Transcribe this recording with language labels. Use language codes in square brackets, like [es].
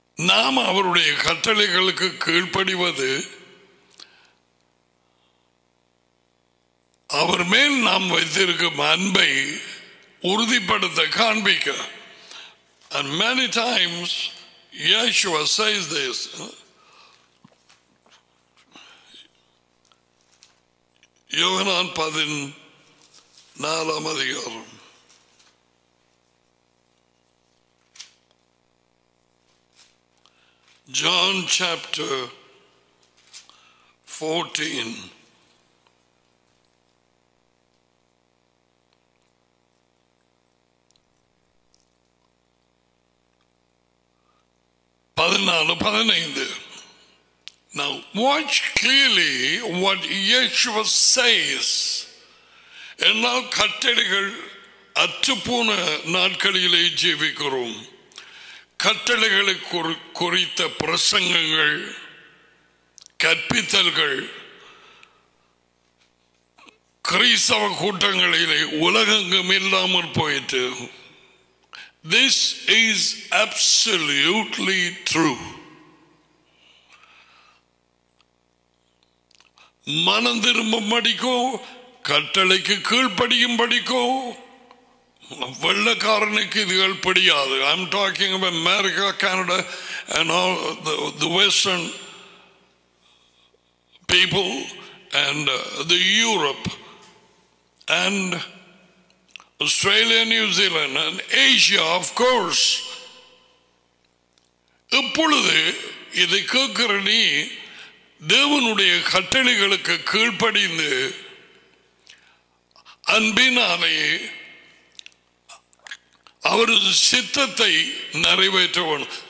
[ta] நாம் அவருடைய கட்டளைகளுக்கு கீழ்ப்படிவது அவர் மேல் நாம் வைத்திருக்கும் அன்பை உறுதிப்படுத்த காண்பிக்க. [en] And many times Yeshua says this. [ta] யோகனான் 14 அதிகாரம் John chapter 14 14-15. [en] Now watch clearly what Yeshua says. [ta] Ennal kattaligal attupuna naatkalile jeevikkurum. கட்டளைகளை குறித்த பிரசங்கங்கள், கற்பித்தல்கள் கிறிஸ்தவ கூட்டங்களிலே உலகெங்கும் இல்லாமல் போயிட்டு. [en] This is absolutely true. [ta] மனம் திரும்பும்படிக்கோ கட்டளைக்கு கீழ்ப்படியும்படிக்கோ வெள்ளக்காரனுக்கு இதுகள் படியாது. [en] I'm talking about America, Canada and all the Western people and the Europe and Australia, New Zealand and Asia, of course. [ta] இப்பொழுது இதை கேட்கிற நீ தேவனுடைய கட்டளைகளுக்கு கீழ்ப்படிந்து அன்பினாலே அவரது சித்தத்தை நிறைவேற்றவன்.